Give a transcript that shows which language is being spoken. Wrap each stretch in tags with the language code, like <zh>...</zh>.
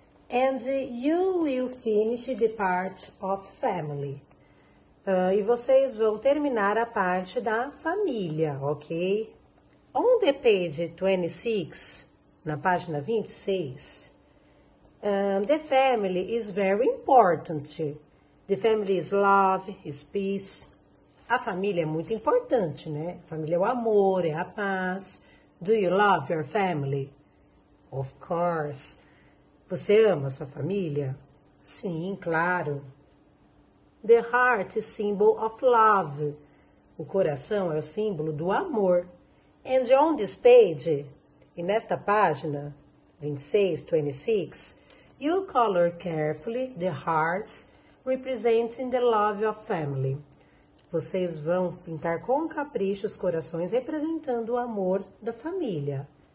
<en>And you will finish the part of family.</en> <pt>E vocês vão terminar a parte da família, ok?</pt> <en>On the page 26,</en> <pt>na página 26,</pt> <en>the family is very important. The family is love, is peace.</en> <pt>A família é muito importante, né? Família é o amor, é a paz.</pt> <en>Do you love your family? Of course.</en> <pt>Você ama sua família? Sim, claro.</pt> <en>The heart is symbol of love.</en> <pt>O coração é o símbolo do amor.</pt> <en>And on this page,</en> <pt>e nesta página,</pt> <en>26, 26, you color carefully the hearts representing the love of family.</en> <pt>Vocês vão pintar com capricho os corações representando o amor da família.</pt>